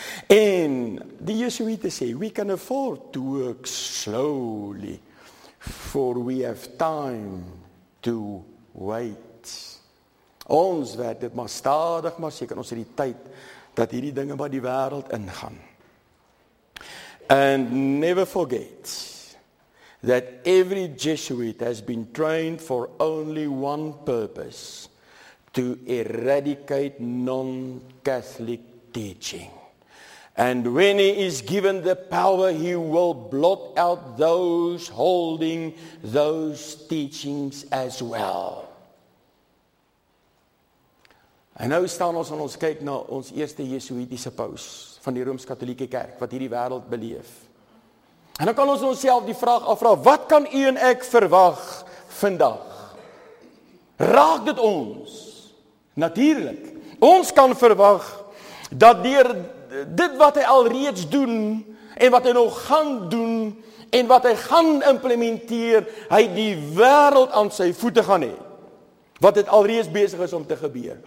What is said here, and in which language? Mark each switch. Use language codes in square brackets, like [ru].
[af] En die Jesuite sê, [en] we can afford to work slowly, for we have time to wait. [af] Ons werk dit maar stadig, maar seker ons het die tyd, dat hierdie dinge by die wêreld ingaan. [en] And never forget that every Jesuit has been trained for only one purpose, to eradicate non-Catholic teaching. And when he is given the power, he will blot out those holding those teachings as well. [af] En nou staan ons en ons kyk na ons eerste Jesuïtiese paus van die Rooms-Katholieke Kerk, wat hierdie wêreld beleef. En dan kan ons onsself die vraag afvra, wat kan u en ek verwag vandag? Raak dit ons? Natuurlik. Ons kan verwag dat deur dit wat hy alreeds doen en wat hy nog gaan doen en wat hy gaan implementeer, hy die wêreld aan sy voete gaan hê. Wat het alreeds besig is om te gebeur.